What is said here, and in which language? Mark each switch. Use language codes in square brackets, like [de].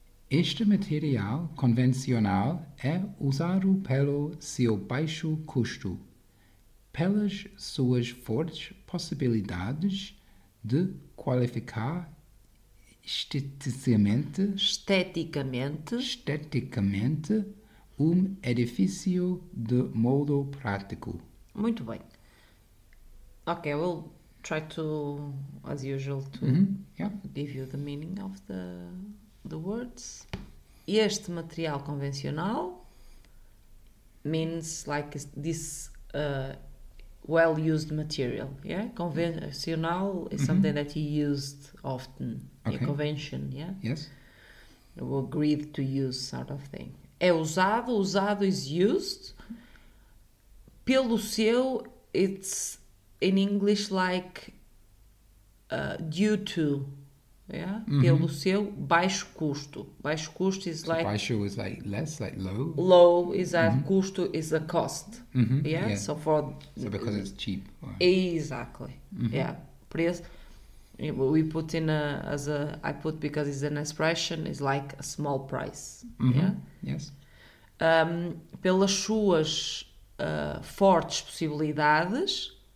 [pt] Este material convencional é usado pelo seu baixo custo, pelas suas fortes possibilidades de qualificar esteticamente edifício de modo prático. Muito bem. [en] Ok, I will try to, as usual, to give you the meaning of the words. [pt] Este material convencional [en] means like this... well-used material, yeah? Conventional is something that you used often. Okay. A convention, yeah? Yes. You agreed to use sort of thing. [pt] É usado, [en] usado is used. [pt] Pelo seu, [en] it's in English like due to, yeah? Mm-hmm. [pt] Pelo seu, baixo custo. Baixo custo is [en] so like... Baixo is like less, like low? Low, exactly. Mm-hmm. Custo is a cost. Mm-hmm. Yeah? Yeah? So for... So because it's cheap. Exactly. Mm-hmm. Yeah. Preço. We put in a... As a I put because it's an expression, it's like a small price. Mm-hmm. Yeah? Yes. [pt] Pelas suas fortes possibilidades...